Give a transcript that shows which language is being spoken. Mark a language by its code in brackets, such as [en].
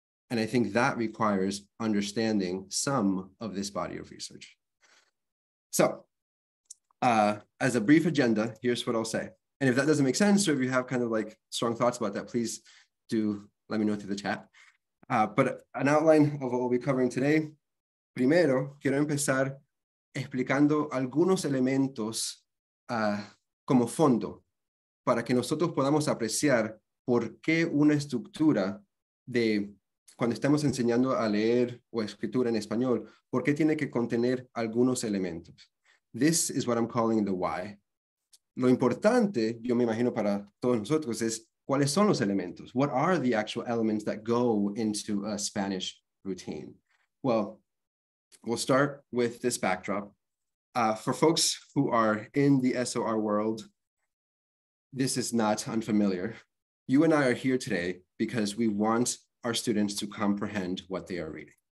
[en] And I think that requires understanding some of this body of research. So as a brief agenda, here's what I'll say. And if that doesn't make sense, or if you have kind of like strong thoughts about that, please do let me know through the chat. But an outline of what we'll be covering today. [es] Primero, quiero empezar explicando algunos elementos como fondo para que nosotros podamos apreciar por qué una estructura de cuando estamos enseñando a leer o escritura en español, por qué tiene que contener algunos elementos. This is what I'm calling the why. Lo importante, yo me imagino para todos nosotros, es cuáles son los elementos. [en] What are the actual elements that go into a Spanish routine? Well, we'll start with this backdrop. For folks who are in the SOR world, this is not unfamiliar. You and I are here today because we want our students to comprehend what they are reading.